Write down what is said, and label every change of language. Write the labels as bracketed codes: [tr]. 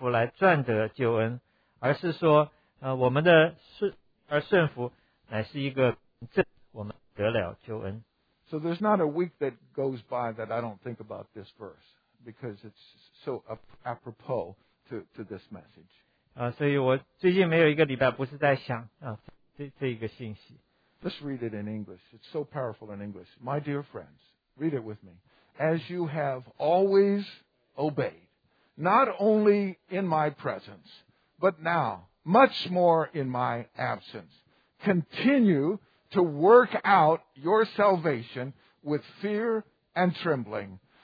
[zh] 我们要注意，这不是在说我们靠着做工，或者说靠着顺服来赚得救恩，而是说。 [en] So there's not a week that goes by that I don't think about this verse because it's so apropos to this message. [zh] 所以我最近没有一个礼拜不是在想这一个信息。 [en] Let's read it in English. It's so powerful in English. My dear friends, read it with me. As you have always obeyed, not only in my presence, but now, much more in my absence. Continue to work out your salvation with fear and trembling.